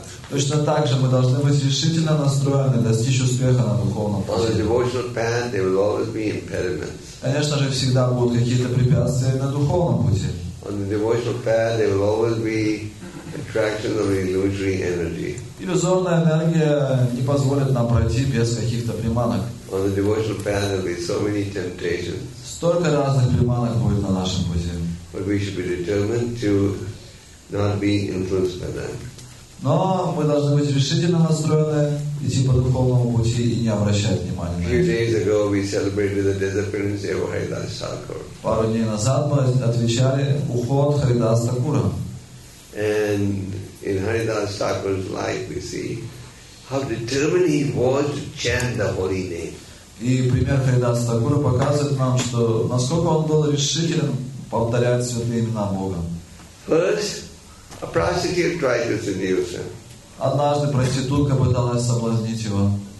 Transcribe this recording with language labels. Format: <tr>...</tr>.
<ru>Точно так же мы должны быть решительно настроены достичь успеха на духовном пути. Конечно же, всегда будут какие-то препятствия на духовном пути.</ru> <en>attraction of illusory energy.</en> <ru>Иллюзорная энергия не позволит нам пройти без каких-то приманок.</ru> <en>On the devotional path there will be so many temptations.</en> <ru>Столько разных приманок будет на нашем пути.</ru> <en>But we should be determined to not be influenced by them.</en> <ru>Но мы должны быть решительно настроены идти по духовному пути и не обращать внимания.</ru> <en>Few days ago we celebrated the disappearance of Haridas Thakur.</en> <ru>Пару дней назад мы отвечали уход Харидас Такура.</ru> <en>And in Haridas Thakur's life we see how determined he was to chant the holy name.</en> <ru>И пример Харидас Такура показывает нам, что насколько он был решителен повторять святые имена Бога.</ru> <en>First, a prostitute tried to seduce him.</en> <ru>Однажды проститутка пыталась соблазнить его.</ru>